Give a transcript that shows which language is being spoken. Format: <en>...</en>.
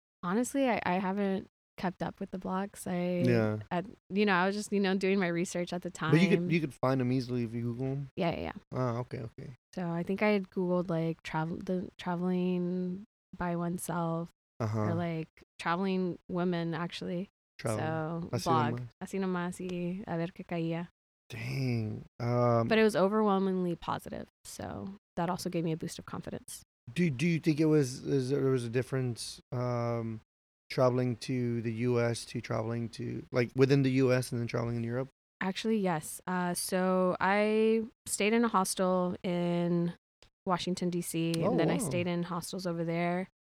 <en>Honestly, I haven't kept up with the blogs. I was just, you know, doing my research at the time. But you could find them easily if you Google them. Yeah, yeah, yeah. Oh, okay, okay. So I think I had Googled like traveling by oneself, uh-huh. or like traveling women actually. Traveling. So</en> <es>así blog. Nomás. Así nomás y a ver qué caía.</es> <en>Dang. But it was overwhelmingly positive. So that also gave me a boost of confidence. Do you think it was, there was a difference traveling to the U.S. to traveling to like within the U.S. and then traveling in Europe? Actually, yes. So I stayed in a hostel in Washington, D.C., I stayed in hostels over there.</en>